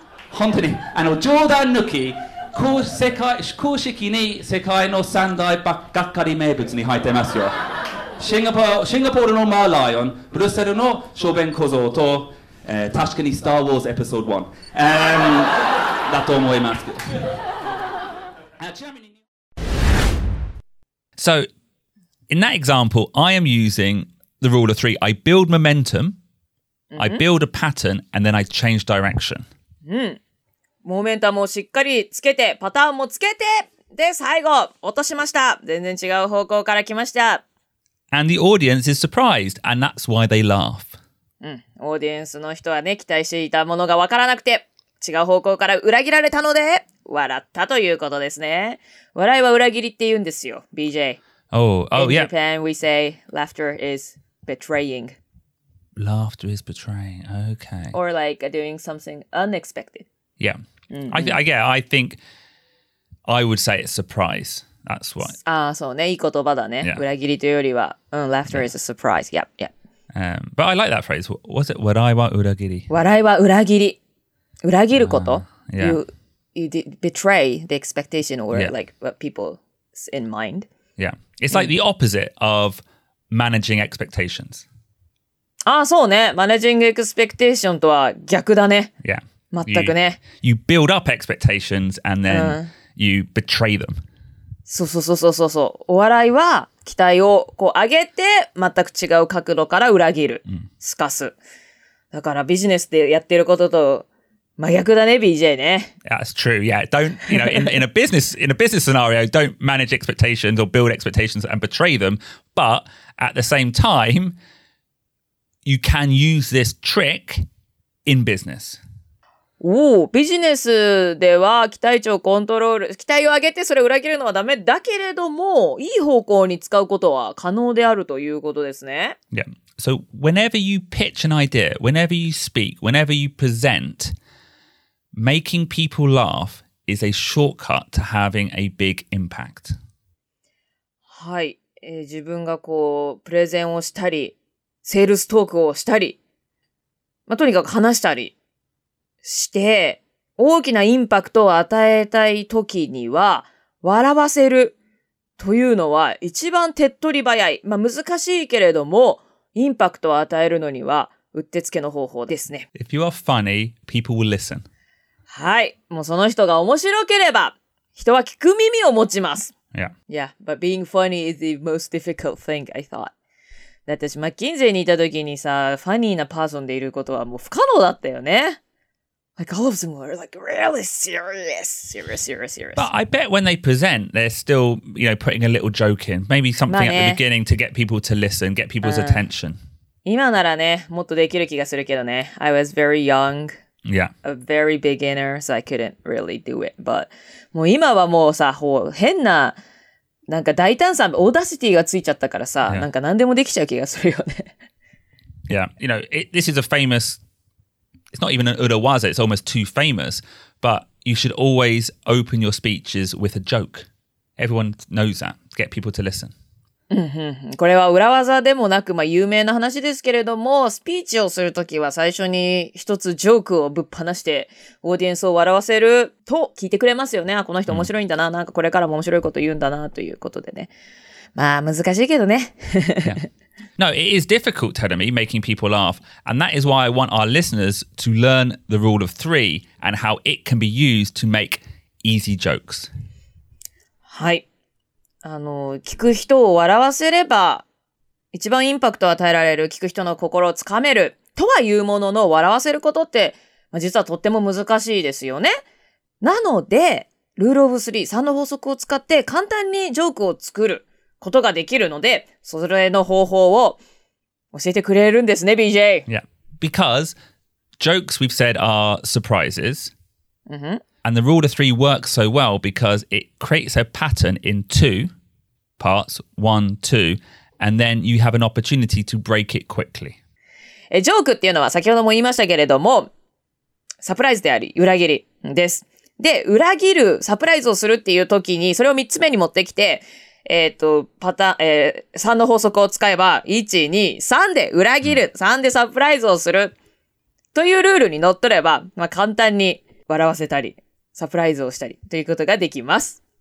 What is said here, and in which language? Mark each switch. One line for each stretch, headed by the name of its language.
Japanese: 本当にあの冗談抜き公式に世界の三大ばっかり名物に入ってますよシンガポールのマーライオンブルッセルの小便小僧と、確かにスターウォーズエピソード1、だと思いますけ
English: ど So in that example I am using the rule of three I build momentumI build a pattern and then I change direction.
Japanese: モメンタもしっかりつけて、パターンもつけて、で、最後、落としました。全然違う方向から来ました。
English: And the audience is surprised, and that's why they laugh.
Japanese: オーディエンスの人はね、期待していたものがわからなくて、違う方向から裏切られたので、笑ったということですね。笑いは裏切りって言うんですよ、BJ.
English: Oh, yeah. In Japan, we say laughter is betraying. Laughter is betraying. Okay. Or like doing something unexpected. Yeah. I think I would say it's surprise. That's why.
Japanese: Ah, so, ね、いい言葉だね。裏切りというよりは、うん、
English: laughter is a surprise. Yep, yep. But I like that phrase. Was it
Japanese: 笑いは裏切り？笑いは裏切り。裏切ること。
English: You betray the expectation or like what people in mind. Yeah. It's like the opposite of managing expectations.
Japanese: ああそうね。マネジングエクスペクテーションとは逆だね。
English: Yeah.
Japanese: 全くね。
English: You build up expectations and then you betray them.
Japanese: そうそうそうそうそう。お笑いは期待をこう上げて全く違う角度から裏切る。すかす。だからビジネスでやってることと真逆だね、BJ ね。
English: That's true. Yeah. Don't, you know, in a business scenario, don't manage expectations or build expectations and betray them. But at the same time,You can use this trick in business.
Japanese: Oh, business では期待値をコントロール、期待を上げてそれを裏切るのはダメだけれども、いい方向に使うことは可能であるということですね。
English: Yeah. So whenever you pitch an idea, whenever you speak, whenever you present, making people laugh is a shortcut to having a big impact.
Japanese: はい。自分がこうプレゼンをしたり、セールストークをしたり、まあ、とにかく話したりして、大きなインパクトを与えたいときには、笑わせるというのは一番手っ取り早い、まあ難しいけれどもインパクトを与えるのにはうってつけの方法ですね。
English: If you are funny, people will listen.
Japanese: はい、もうその人が面白ければ人は聞く耳を持ちます。
English: Yeah. Yeah, but being funny is the most difficult thing, I thought.
Japanese: だって私マッキンゼーにいた時にさ、ファニーなパーソンでいることはもう不可能だったよね。
English: Like all of them were like really serious, serious, serious, serious. But I bet when they present, they're still, you know, putting a little joke in. Maybe something、まあね、at the beginning to get people to listen, get people's、うん、attention.
Japanese: 今ならね、もっとできる気がするけどね。
English: I was very young, yeah, a very beginner, so I couldn't really do it.
Japanese: But もう今はもうさ、こう変な、なんか大胆さ、オーダーシティがついちゃったからさ、
English: yeah.
Japanese: なんか何でもできちゃう気がするよね。
English: Yeah, you know, this is a famousIt's not even an urawaza, it's almost too famous. But you should always open your speeches with a joke. Everyone knows that. Get people to listen.
Japanese: これは裏技でもなく、まあ、有名な話ですけれども、スピーチをするときは最初に一つジョークをぶっ放して、オーディエンスを笑わせると聞いてくれますよね。あ、この人面白いんだな。なんかこれからも面白いこと言うんだな、ということでね。まあ、難しいけどね。
English: yeah. No, it is difficult, Tadami, making people laugh. And that is why I want our listeners to learn the rule of three and how it can be used to make easy jokes.
Japanese: はい。あの、聞く人を笑わせれば、一番インパクトを与えられる、聞く人の心をつかめる、とは言うものの、笑わせることって、まあ、実はとっても難しいですよね。なので、ルールオブスリー、3の法則を使って簡単にジョークを作る。ことができるので、それの方法を教えてくれるんですね、BJ。
English: Yeah, because jokes, we've said, are surprises.、 Mm-hmm. And the rule of three works so well because it creates a pattern in two parts, one, two, and then you have an opportunity to break it quickly.
Japanese: ジョークっていうのは先ほども言いましたけれども、サプライズであり、裏切りです。で、裏切る、サプライズをするっていう時に、それを三つ目に持ってきて、パターン、3の法則を使えば、1、2、3で裏切る、3でサプライズをする、というルールに乗っ取れば、まあ、簡単に笑わせたり、サプライズをしたり、ということができます。